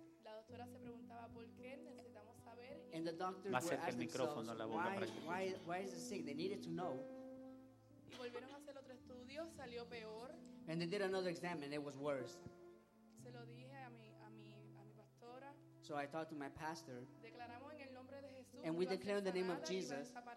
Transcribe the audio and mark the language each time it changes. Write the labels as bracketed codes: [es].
[es] La doctora se preguntaba por qué, necesitamos saber. [en] And the doctors were asking themselves, why is it sick? They needed to know. [es] Y volvieron a hacer otro estudio, salió peor. [en] And they did another exam and it was worse. [es] Se lo dije a mi pastora. [en] So I talked to my pastor. [es] Declaramos en el nombre de Jesús. [en] And we declared in the name of Jesus.